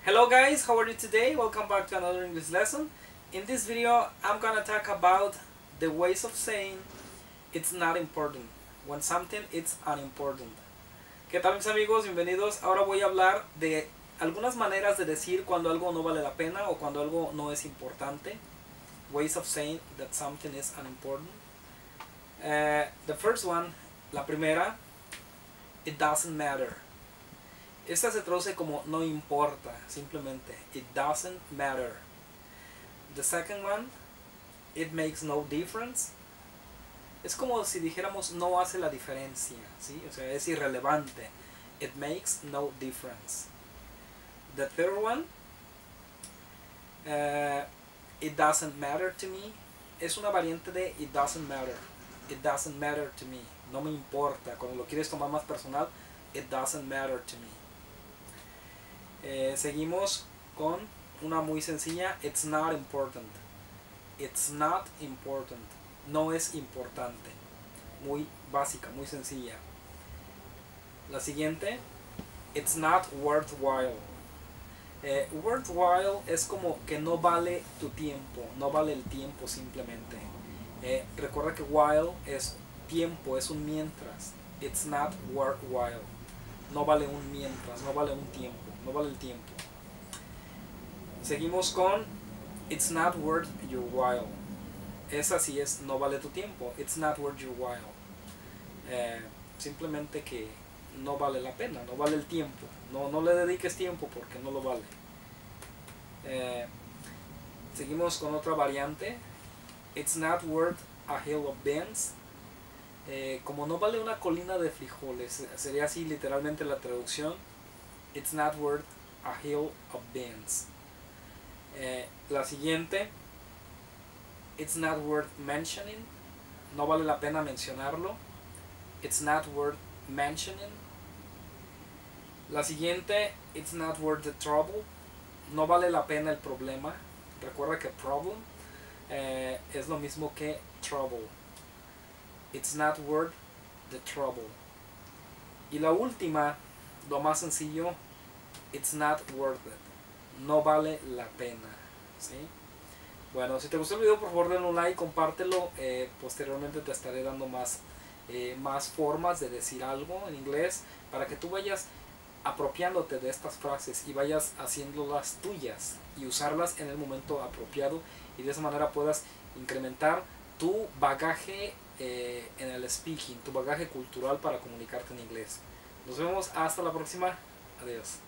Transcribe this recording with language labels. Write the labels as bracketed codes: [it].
[en] Hello guys, how are you today? Welcome back to another English lesson. In this video, I'm gonna talk about the ways of saying it's not important, when something is unimportant. [es] ¿Qué tal mis amigos? Bienvenidos. Ahora voy a hablar de algunas maneras de decir cuando algo no vale la pena o cuando algo no es importante. [en] Ways of saying that something is unimportant. The first one, [es] la primera, [en] it doesn't matter. [es] Esta se traduce como no importa, simplemente, [en] it doesn't matter. The second one, it makes no difference. [es] Es como si dijéramos no hace la diferencia, ¿sí? O sea, es irrelevante. [en] It makes no difference. The third one, it doesn't matter to me. [es] Es una variante de [en] it doesn't matter. It doesn't matter to me. [es] No me importa. Cuando lo quieres tomar más personal, [en] it doesn't matter to me. [es] Seguimos con una muy sencilla, [en] it's not important, it's not important, [es] no es importante, muy básica, muy sencilla. La siguiente, [en] it's not worthwhile, [es] worthwhile es como que no vale tu tiempo, no vale el tiempo simplemente. Recuerda que while es tiempo, es un mientras, [en] it's not worthwhile, [es] no vale un mientras, no vale un tiempo. No vale el tiempo. Seguimos con [en] it's not worth your while. [es] Esa sí es no vale tu tiempo. [en] It's not worth your while. [es] Simplemente que no vale la pena, no vale el tiempo. No le dediques tiempo porque no lo vale. Seguimos con otra variante. [en] It's not worth a hill of beans. [es] Como no vale una colina de frijoles, sería así literalmente la traducción. [en] It's not worth a hill of beans. [es] La siguiente. [en] It's not worth mentioning. [es] No vale la pena mencionarlo. [en] It's not worth mentioning. [es] La siguiente. [en] It's not worth the trouble. [es] No vale la pena el problema. Recuerda que problem es lo mismo que trouble. [en] It's not worth the trouble. [es] Y la última, lo más sencillo. [en] It's not worth it. [es] No vale la pena. ¿Sí? Bueno, si te gustó el video, por favor denle un like, compártelo. Posteriormente te estaré dando más formas de decir algo en inglés para que tú vayas apropiándote de estas frases y vayas haciéndolas tuyas y usarlas en el momento apropiado, y de esa manera puedas incrementar tu bagaje en el speaking, tu bagaje cultural para comunicarte en inglés. Nos vemos hasta la próxima. Adiós.